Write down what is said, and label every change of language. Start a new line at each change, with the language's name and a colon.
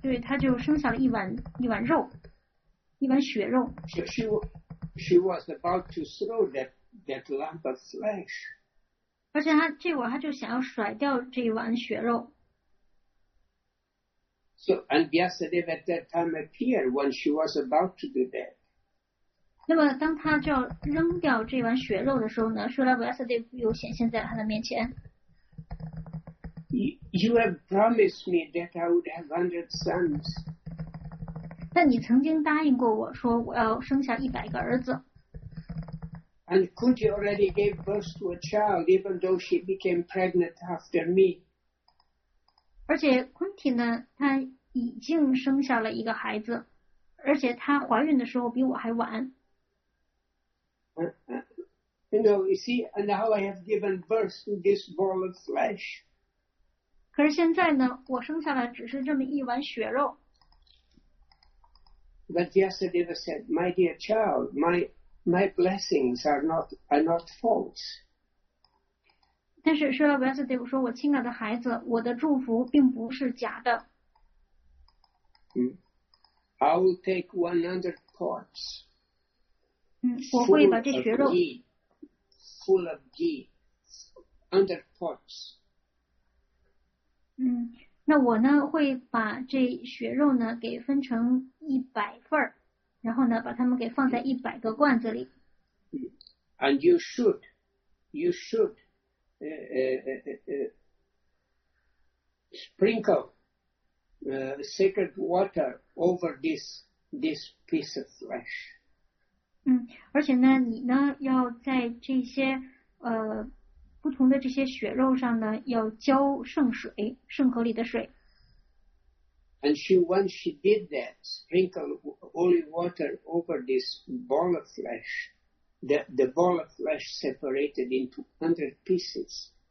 Chinese: 对，他就生下了一碗肉，一碗血肉。
English: She was about to throw that lump of flesh.
Chinese: 而且他这会儿他就想要甩掉这一碗血肉。
English: So, and Vyasadeva at that time appeared when she was about to do that.
Chinese: 那么当他就要扔掉这碗血肉的时候呢，舍拉维亚萨德又显现在他的面前。
English: You have promised me that I would have 100 sons.
Chinese: 但你曾经答应过我说我要生下100个儿子。
English: And Kunti already gave birth to a child, even though she became pregnant after me.
Chinese: 而且 Kunti 呢，她已经生下了一个孩子，而且她怀孕的时候比我还晚。
English: You see, and now I have given birth to this ball of flesh.
Chinese: 可是现在呢，我生下来只是这么一碗血肉。
English: But Vyasadeva said, "My dear child, my blessings are not false."
Chinese: 但是说到 Vyasadeva 说，我亲爱的孩子，我的祝福并不是假的。
English: I will take 100 parts.
Chinese: 我会把这血肉。
English: Full of ghee, under pots.
Chinese: 那我呢会把这血肉呢给分成100份，然后呢把它们给放在100个罐子里。
English: And you should sprinkle sacred water over this piece of flesh.
Chinese: 而且呢你呢要在这些不同的这些血肉上呢要浇圣水，圣河里的水。
English: And she, when she did that, sprinkled holy water over this ball of flesh, the ball of flesh separated into 100 pieces.